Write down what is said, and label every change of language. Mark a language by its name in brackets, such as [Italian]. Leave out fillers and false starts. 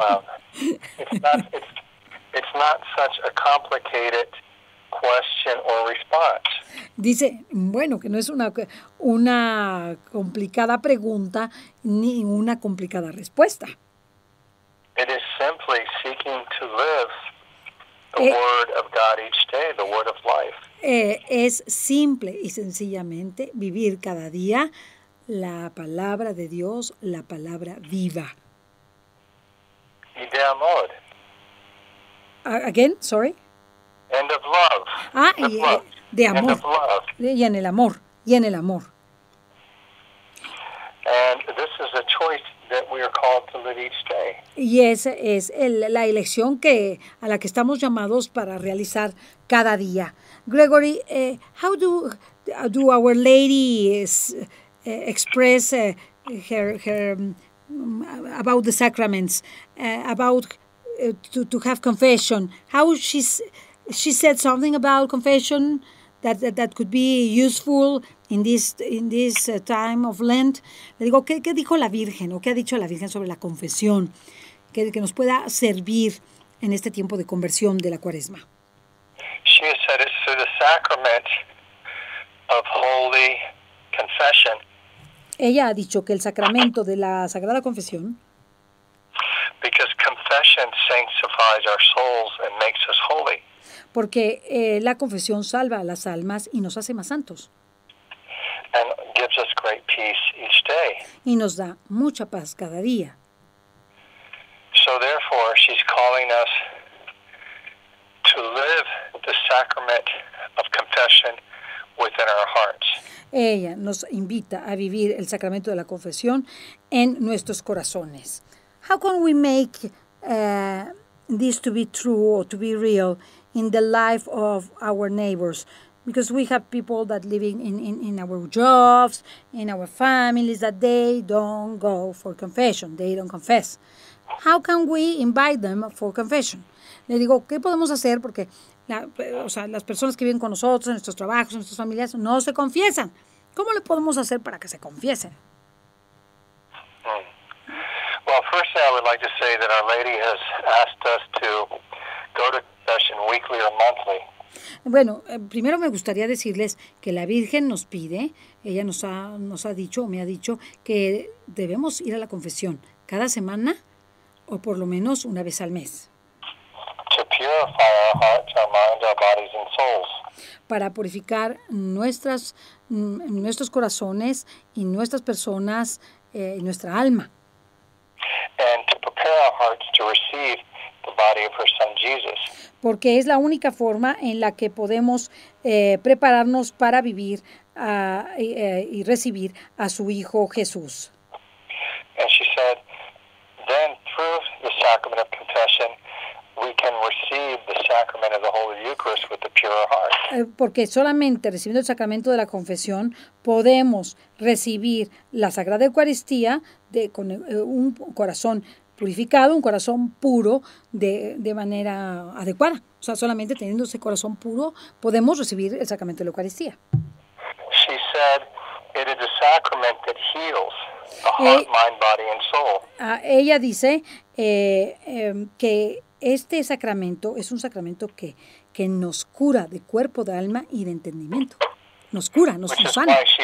[English] Well, it's not such a complicated question or response. [Spanish] Dice, bueno, que no es una complicada pregunta ni una complicada respuesta. [English] It is simply seeking to live the word of God each day, the word of life. [Spanish] Es simple y sencillamente vivir cada día la palabra de Dios, la palabra viva. Idea amor. [English] Again, sorry. End of love. [Spanish] De amor. [English] End of love. [Spanish] Y en el amor. [English] And this is a choice that we are called to live each day. [Spanish] Y esa es la elección que a la que estamos llamados para realizar cada día. [English] Gregory, how do our ladies express her about the sacraments, about to have confession. How she said something about confession that could be useful in this time of Lent. [Spanish] Le digo, ¿qué dijo la Virgen o qué ha dicho la Virgen sobre la confesión que nos pueda servir en este tiempo de conversión de la Cuaresma? [English] She said it's through the sacrament of holy confession. [Spanish] Ella ha dicho que el sacramento de la Sagrada Confesión. [English] Because confession sanctifies our souls and makes us holy. [Spanish] Porque la confesión salva a las almas y nos hace más santos. [English] And gives us great peace each day. [Spanish] Y nos da mucha paz cada día. [English] So therefore, she's calling us to live the sacrament of confession within our hearts. [Spanish] Ella nos invita a vivir el sacramento de la confesión en nuestros corazones. [English] How can we make this to be true or to be real in the life of our neighbors? Because we have people that living in our jobs, in our families, that they don't go for confession, they don't confess. How can we invite them for confession? [Spanish] Le digo, ¿qué podemos hacer? Porque las personas que viven con nosotros, en nuestros trabajos, en nuestras familias, no se confiesan. ¿Cómo le podemos hacer para que se confiesen? [English] Well, first I would like to say that Our Lady has asked us to go to confession weekly or monthly. [Spanish] Bueno, primero me gustaría decirles que la Virgen nos pide, ella nos ha dicho, me ha dicho, que debemos ir a la confesión cada semana o por lo menos una vez al mes. [English] To purify our hearts, our minds, our bodies and souls. [Spanish] Para purificar nuestros corazones y nuestras personas, nuestra alma. [English] And to prepare our hearts to receive the body of her son Jesus. [Spanish] Porque es la única forma en la que podemos prepararnos para vivir y recibir a su hijo Jesús. [English] And she said, then through the sacrament of confession, we can receive the sacrament of the Holy Eucharist with a pure heart. [Spanish] Porque solamente recibiendo el sacramento de la confesión podemos recibir la Sagrada Eucaristía con un corazón purificado, un corazón puro de manera adecuada. O sea, solamente teniendo ese corazón puro podemos recibir el sacramento de la Eucaristía. [English] She said it is a sacrament that heals the heart, mind, body and soul. [Spanish] Ella dice que este sacramento es un sacramento que nos cura de cuerpo, de alma y de entendimiento. Nos cura, nos sana.